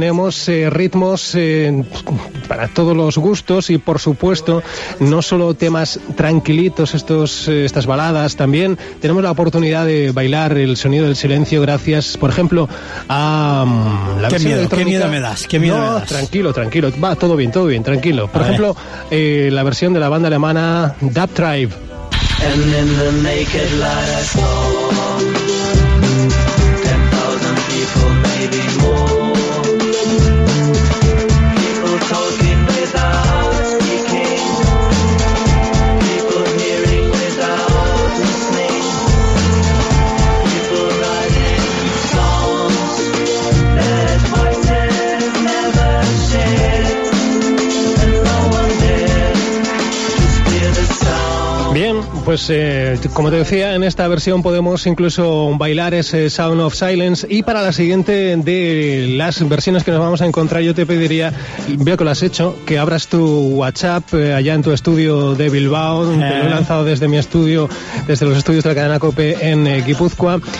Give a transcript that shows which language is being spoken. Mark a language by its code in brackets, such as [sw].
[es] tenemos ritmos para todos los gustos y, por supuesto, no solo temas tranquilitos, estas baladas, también tenemos la oportunidad de bailar el sonido del silencio gracias, por ejemplo, a la versión electrónica. ¿Qué miedo me das? Tranquilo, va, todo bien, tranquilo. Por ejemplo, la versión de la banda alemana Dub Tribe. [en] And in the naked light I saw 10,000 people, maybe more. People talking without speaking. People hearing without listening. People writing songs that my sense never shared. And no one dared just hear the sound. [es] Bien. Pues como te decía, en esta versión podemos incluso bailar ese Sound of Silence. Y para la siguiente de las versiones que nos vamos a encontrar, yo te pediría, veo que lo has hecho, que abras tu WhatsApp allá en tu estudio de Bilbao. Te lo he lanzado desde mi estudio, desde los estudios de la cadena COPE en Guipúzcoa.